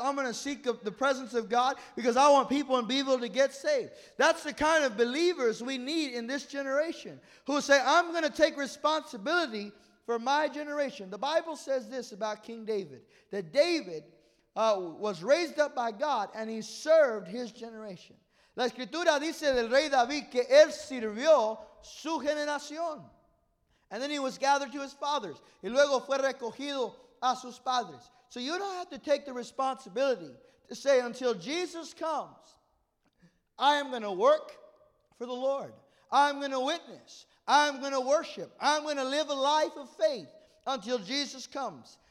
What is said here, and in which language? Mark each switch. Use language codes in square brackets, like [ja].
[en] I'm going to seek the presence of God because I want people in Beeville to get saved. That's the kind of believers we need in this generation who say, I'm going to take responsibility for my generation. The Bible says this about King David, that David was raised up by God and he served his generation. [es] La escritura dice del rey David que él sirvió su generación. [en] And then he was gathered to his fathers. [es] Y luego fue recogido a sus padres. [en] So you don't have to take the responsibility to say, until Jesus comes, I am going to work for the Lord. I'm going to witness. I'm going to worship. I'm going to live a life of faith until Jesus comes.